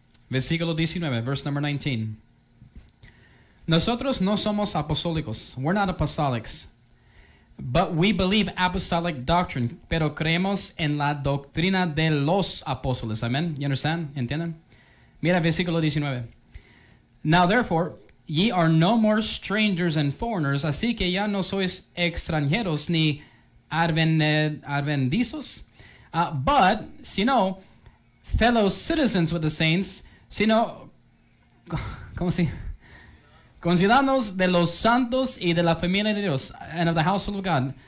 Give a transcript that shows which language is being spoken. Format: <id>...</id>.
<es>Versículo 19,</es> <en>verse number 19.</en> <es>Nosotros no somos apostólicos.</es> <en>We're not apostolics. But we believe apostolic doctrine.</en> <es>Pero creemos en la doctrina de los apóstoles. Amen.</es> <en>You understand?</en> <es>¿Entienden? Mira versículo 19.</es> <en>Now therefore, ye are no more strangers and foreigners.</en> <es>Así que ya no sois extranjeros ni advenedizos.</es> <en>But, sino fellow citizens with the saints.</en> <es>Sino, ¿cómo se Conciudadanos de los santos y de la familia de Dios</es> <en>and of the household of God.</en>